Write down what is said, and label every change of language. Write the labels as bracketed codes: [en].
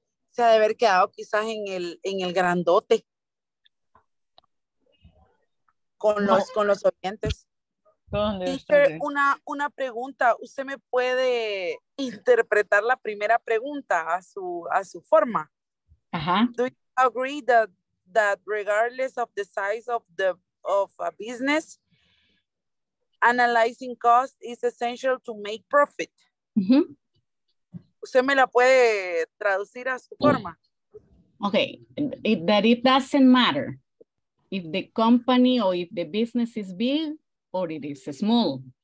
[es] Se ha de haber quedado quizás en el grandote. Con los oyentes. Teacher, una pregunta. ¿Usted me puede interpretar la primera pregunta a su forma? Ajá. [en] Do you agree that regardless of the size of a business, analyzing cost is essential to make profit. Uh-huh. [es] ¿Usted me la puede traducir a su forma? [en] Okay, that it doesn't matter if the company or if the business is big or it is small.